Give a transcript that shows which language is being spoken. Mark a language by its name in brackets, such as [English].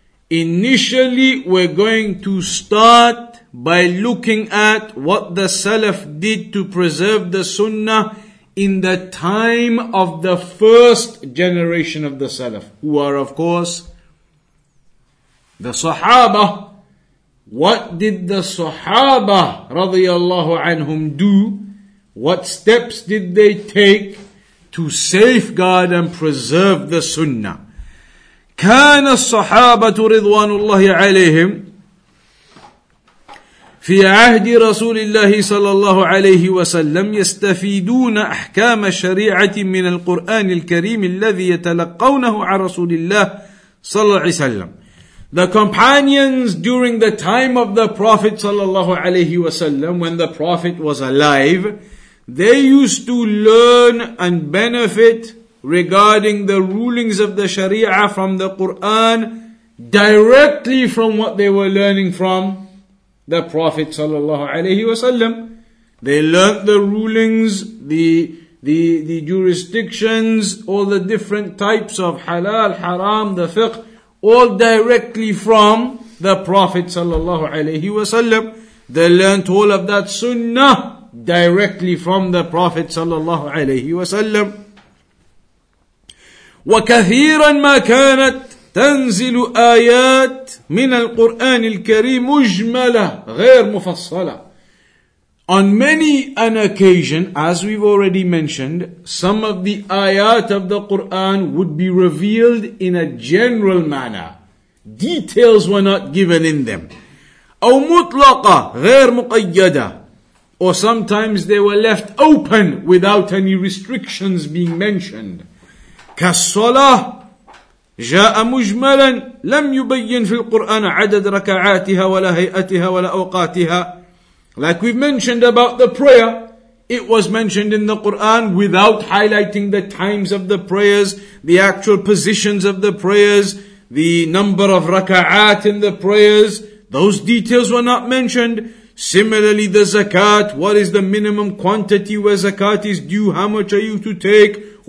[English] Initially, we're going to start by looking at what the Salaf did to preserve the Sunnah in the time of the first generation of the Salaf, who are, of course, the Sahaba. What did the Sahaba, radiyallahu anhum, do? What steps did they take to safeguard and preserve the Sunnah? [Arabic] كان الصحابة رضوان الله عليهم في عهد رسول الله صلى الله عليه وسلم يستفيدون أحكام الشريعة من القرآن الكريم الذي يتلقونه عن رسول الله صلى الله عليه وسلم. [English] The companions during the time of the Prophet [Arabic] صلى الله عليه وسلم, [English] when the Prophet was alive, they used to learn and benefit regarding the rulings of the Sharia from the Quran, directly from what they were learning from the Prophet sallallahu alaihi wasallam. They learnt the rulings, the jurisdictions, all the different types of halal, haram, the fiqh, all directly from the Prophet sallallahu alaihi wasallam. They learnt all of that sunnah directly from the Prophet sallallahu alaihi wasallam. [Arabic] وكثيرا ما كانت تنزل آيات من القرآن الكريم مجملة غير مفصلة. [English] On many an occasion, as we've already mentioned, some of the ayat of the Quran would be revealed in a general manner. Details were not given in them. [Arabic] أو مطلقة غير مقيدة. [English] Or sometimes they were left open without any restrictions being mentioned. [Arabic] كالصلاة جاء مجملا لم يبين في القرآن عدد ركعاتها ولا هيئتها ولا أوقاتها. [English] Like we've mentioned about the prayer, it was mentioned in the Quran without highlighting the times of the prayers, the actual positions of the prayers, the number of rakaat in the prayers. Those details were not mentioned. Similarly, the zakat, what is the minimum quantity where zakat is due, how much are you to take,